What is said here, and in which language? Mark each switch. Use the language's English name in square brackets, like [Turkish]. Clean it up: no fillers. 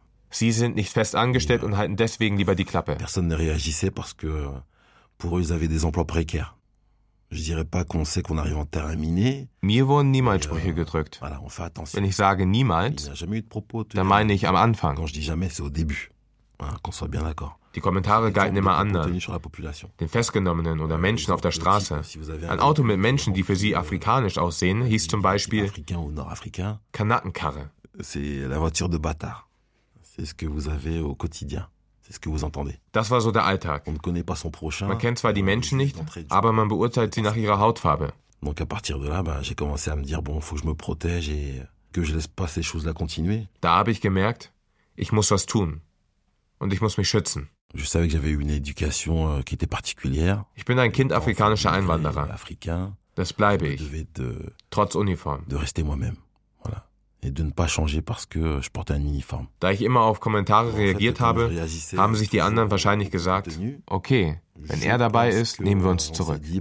[German] Sie sind nicht fest angestellt und halten deswegen lieber die Klappe. [French] Personne ne réagissait parce que pour eux ils avaient des emplois précaires. Je dirais pas qu'on sait qu'on arrive en terrain miné. [German] Mir wurden niemals Sprüche gedrückt. [French] Voilà, on fait attention. [German] Wenn ich sage niemals, dann meine ich am Anfang. [French] Quand je dis jamais, c'est au début. Voilà, qu'on soit bien d'accord. [German] Die Kommentare galten immer anderen, [French] sur la population. [German] Den Festgenommenen oder Menschen auf der Straße. Ein Auto mit Menschen, die für sie afrikanisch aussehen, hieß zum Beispiel Kanakenkarre. [French] C'est la voiture de bâtard. C'est ce que vous avez au quotidien. C'est ce que vous entendez. [German] Das war so der Alltag. [French] On ne connaît pas son prochain, [German] man kennt zwar die Menschen nicht, aber man beurteilt sie nach ihrer Hautfarbe. [French] Donc à partir de là, j'ai commencé à me dire bon, faut que je me protège et que je laisse pas ces choses là continuer. [German] Da habe ich gemerkt, ich muss was tun und ich muss mich schützen. [French] Je savais que j'avais une éducation qui était particulière. [German] Ich bin ein Kind afrikanischer Einwanderer. [French] Africain. [German] Das bleibe ich. Trotz Uniform. [French] De rester moi-même. Voilà. Et de ne pas changer parce que je portais un uniforme. [German] Da ich immer auf Kommentare reagiert habe, haben sich die anderen wahrscheinlich gesagt, okay, Wenn er dabei ist, nehmen wir uns zurück.